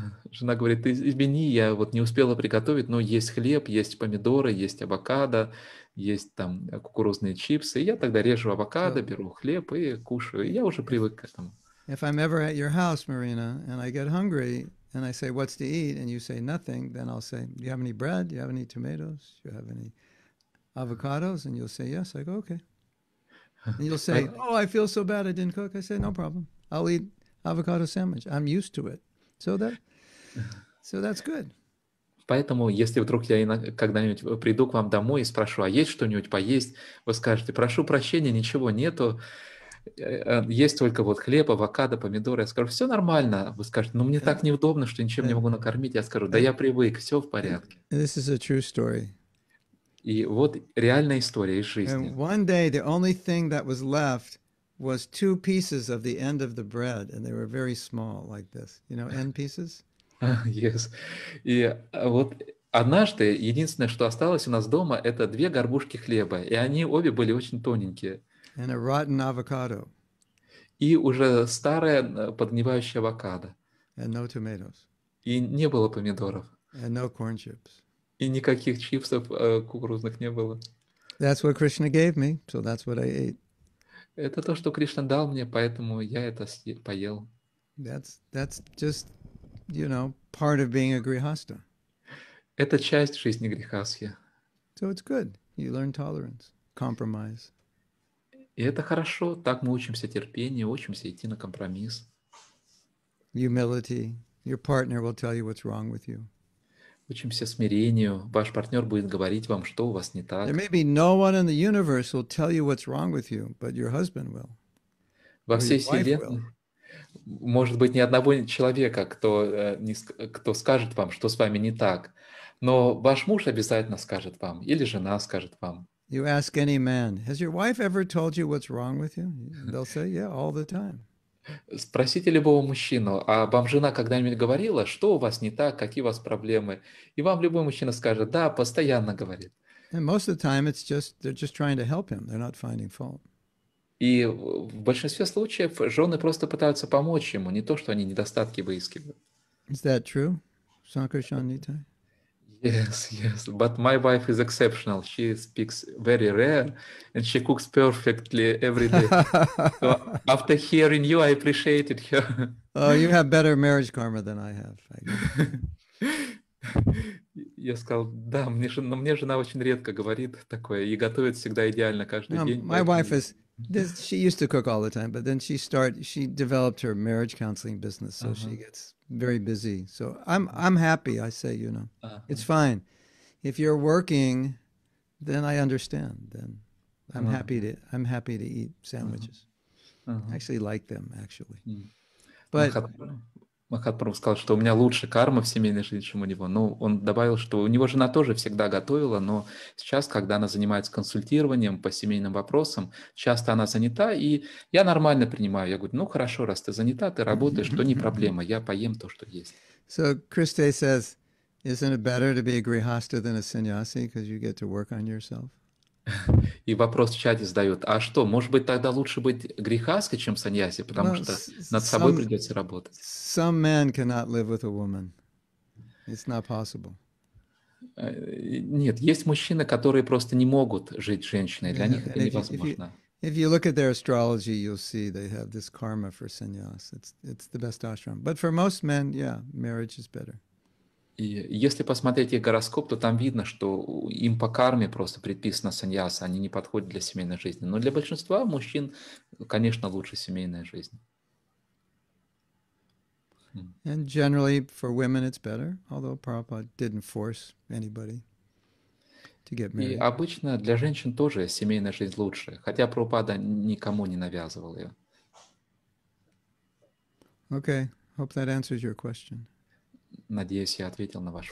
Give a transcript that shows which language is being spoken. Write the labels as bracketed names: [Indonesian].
[Russian] Жена говорит, извини, я вот не успела приготовить, но есть хлеб, есть помидоры, есть авокадо, есть там кукурузные чипсы. Я тогда режу авокадо, беру хлеб и кушаю. И я уже привык к этому. [English] If I'm ever at your house, Marina, and I get hungry, and I say, what's to eat? And you say, nothing. Then I'll say, do you have any bread? Do you have any tomatoes? Do you have any avocados? And you'll say, yes. I go, okay. And you'll say, oh, I feel so bad I didn't cook. I say, no problem. I'll eat avocado sandwich. I'm used to it. So that's good. [Russian] Поэтому, если вдруг я когда-нибудь приду к вам домой и спрошу, а есть что-нибудь поесть, вы скажете, прошу прощения, ничего нету, есть только вот хлеб, авокадо, помидоры. Я скажу, все нормально. Вы скажете, ну мне так неудобно, что ничем не могу накормить. Я скажу, да я привык, все в порядке. [English] This is a true story. [Russian] И вот реальная история из жизни. [English] And one day the only thing that was left was two pieces of the end of the bread, and they were very small, like this. You know, end pieces? Yes. [Russian] И вот однажды единственное, что осталось у нас дома, это две горбушки хлеба, и они обе были очень тоненькие. [English] And a rotten avocado. [Russian] И уже старое подгнивающее авокадо. [English] And no tomatoes. [Russian] И не было помидоров. [English] And no corn chips. [Russian] И никаких чипсов кукурузных не было. [English] That's what Krishna gave me, so that's what I ate. [Russian] Это то, что Кришна дал мне, поэтому я это поел. [English] That's just, you know, part of being a grihastha. [Russian] Это часть жизни грихасхи. [English] So it's good. You learn tolerance, compromise. [Russian] И это хорошо. Так мы учимся терпению, учимся идти на компромисс. [English] Humility. Your partner will tell you what's wrong with you. [Russian] Учимся смирению. Ваш партнер будет говорить вам, что у вас не так. [English] There may be no one in the universe who'll tell you what's wrong with you, but your husband will. [Russian] Во всей вселенной может быть ни одного человека, кто скажет вам, что с вами не так. Но ваш муж обязательно скажет вам, или жена скажет вам. [English] You ask any man, has your wife ever told you what's wrong with you? They'll say, yeah, all the time. [Russian] Спросите любого мужчину, а вам жена когда-нибудь говорила, что у вас не так, какие у вас проблемы? И вам любой мужчина скажет, да, постоянно говорит. [English] And most of the time, it's just, they're just trying to help him. They're not finding fault. [Russian] И в большинстве случаев жены просто пытаются помочь ему, не то, что они недостатки выискивают. [English] Is that true, Sankarshan Nitai? Yes, yes, but my wife is exceptional. She speaks very rare and she cooks perfectly every day. So after hearing you, I appreciated her. Oh, you have better marriage karma than I have. I [Russian] Я сказал, да, мне жена, но мне жена очень редко говорит такое и готовит всегда идеально каждый день. [English] My wife is, she used to cook all the time, but then she developed her marriage counseling business, so she gets very busy. So I'm happy, I say, you know, it's fine. If you're working, then I understand. Then I'm happy to eat sandwiches. I actually like them, actually. But [Russian] Махатпрабху сказал, что у меня лучше карма в семейной жизни, чем у него. Но он добавил, что у него жена тоже всегда готовила, но сейчас, когда она занимается консультированием по семейным вопросам, часто она занята, и я нормально принимаю. Я говорю, ну хорошо, раз ты занята, ты работаешь, то не проблема, я поем то, что есть. [English] So Kriste says, isn't it better to be a grihastha than a sannyasi, because you get to work on yourself? [Russian] И вопрос в чате задают, а что, может быть, тогда лучше быть грихаской, чем саньяси, потому что над собой придется работать. [English] Some man cannot live with a woman. It's not possible. [Russian] Нет, есть мужчины, которые просто не могут жить с женщиной, для них это невозможно. [English] If you look at their astrology, you'll see they have this karma for sannyas. It's the best ashram. But for most men, yeah, marriage is better. [Russian] И если посмотреть их гороскоп, то там видно, что им по карме просто предписано саньяса, они не подходят для семейной жизни. Но для большинства мужчин, конечно, лучше семейная жизнь. [English] And generally for women it's better, although Prabhupada didn't force anybody to get married. [Russian] И обычно для женщин тоже семейная жизнь лучше, хотя Прабхупада никому не навязывал ее. [English] Okay, hope that answers your question. [Russian] Надеюсь, я ответил на ваш